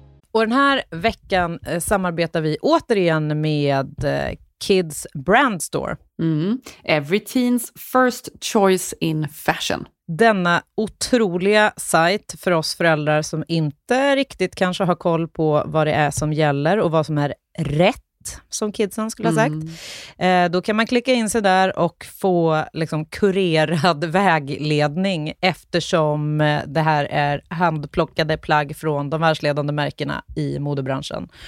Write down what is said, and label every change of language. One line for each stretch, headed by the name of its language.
Swedish: Och den här veckan samarbetar vi återigen med Kids Brand Store.
English: Every teen's first choice in fashion.
Swedish: Denna otroliga sajt för oss föräldrar som inte riktigt kanske har koll på vad det är som gäller och vad som är rätt, som kidsen skulle ha sagt. Då kan man klicka in sig där och få liksom kurerad vägledning, eftersom det här är handplockade plagg från de världsledande märkena i modebranschen.